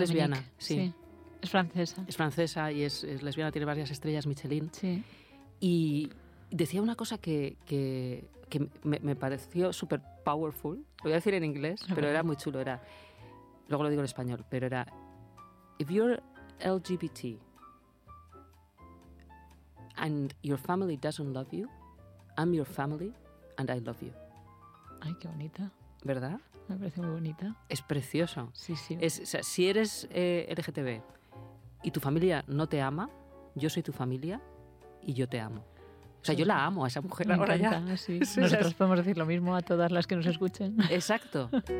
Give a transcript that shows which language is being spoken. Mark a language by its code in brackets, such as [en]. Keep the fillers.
[es] lesbiana, sí. sí. Es francesa. Es francesa y es, es, lesbiana, tiene varias estrellas Michelin. Sí. Y decía una cosa que, que, que me, me, pareció súper powerful. Lo voy a decir en inglés, pero era muy chulo. Era, luego lo digo en español, pero era... [en] If you're LGBT, and your family doesn't love you, I'm your family and I love you. [es] Ay, qué bonita. ¿Verdad? Me parece muy bonita. Es precioso. Sí, sí. Es, o sea, si eres eh, LGTB y tu familia no te ama, yo soy tu familia y yo te amo. O sea, yo la amo a esa mujer Me ahora encanta, ya. Sí. Sí, Nosotros es... podemos decir lo mismo a todas las que nos escuchen. Exacto.